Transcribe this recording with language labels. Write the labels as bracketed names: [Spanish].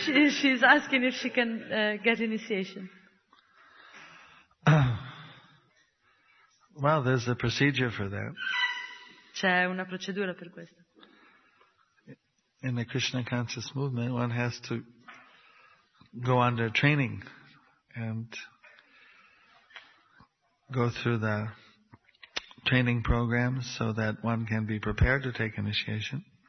[English] She's asking if she can get initiation. Well, there's a procedure for that. [Italian] C'è una procedura per questo. [English] In the Krishna conscious movement, one has to go under training and go through the training programs so that one can be prepared to take initiation.